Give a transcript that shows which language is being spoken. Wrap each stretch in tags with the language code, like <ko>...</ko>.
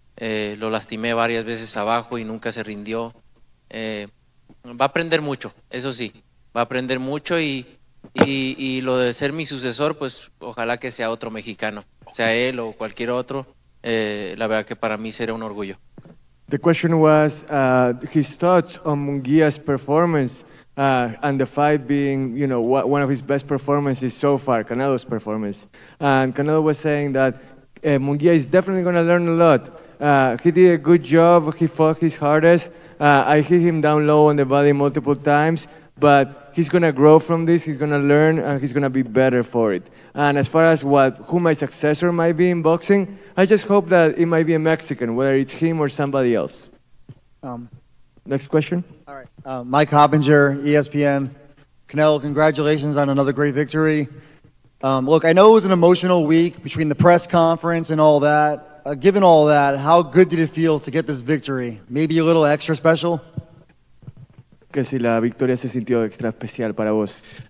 <es>Lo lastimé varias veces abajo y nunca se rindió. Va a aprender mucho, eso sí, va a aprender mucho y lo de ser mi sucesor, pues ojalá que sea otro mexicano, sea él o cualquier otro, la verdad que para mí será un orgullo.</es> <en>The question was his thoughts on Munguia's performance and the fight being, you know, one of his best performances so far, Canelo's performance. And Canelo was saying that Munguia is definitely going to learn a lot. He did a good job, he fought his hardest. I hit him down low on the body multiple times, but he's going to grow from this, he's going to learn, and he's going to be better for it. And as far as who my successor might be in boxing, I just hope that it might be a Mexican, whether it's him or somebody else. Next question. All right. Mike Hoppinger, ESPN. Canelo, congratulations on another great victory. Look, I know it was an emotional week between the press conference and all that. Given all that, how good did it feel to get this victory? Maybe a little extra special?</en> <es>Que si la victoria se sintió extra especial para vos.</es>